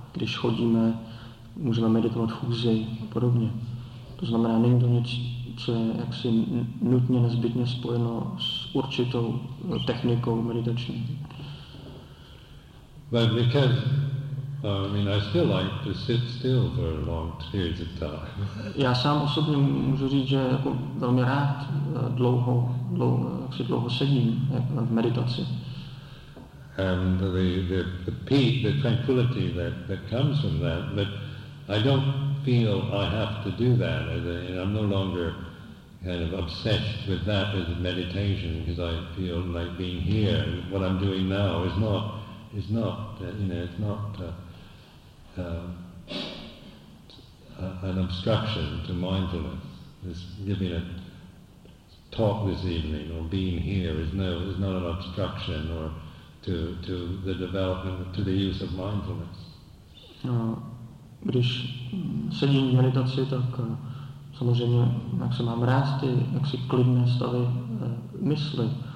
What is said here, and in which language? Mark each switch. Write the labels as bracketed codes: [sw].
[cs] Když chodíme, můžeme meditovat v chůzi a podobně. To znamená, není to nic, co je jaksi nutně, nezbytně spojeno s určitou technikou meditační. [en] But because, I still like to sit still for long periods of time. [cs] Já sám osobně můžu říct, že jako velmi rád dlouho sedím v meditaci. [en] And the peace, the tranquility that comes from that, but I don't feel I have to do that. I'm no longer kind of obsessed with that as a meditation, because I feel like being here, what I'm doing now is not an obstruction to mindfulness. This giving a talk this evening or being here is not an obstruction or to the development, to the use of mindfulness. [cs] Když sedím v meditaci, tak samozřejmě, jak se mám rád ty jaksi klidné stavy mysli.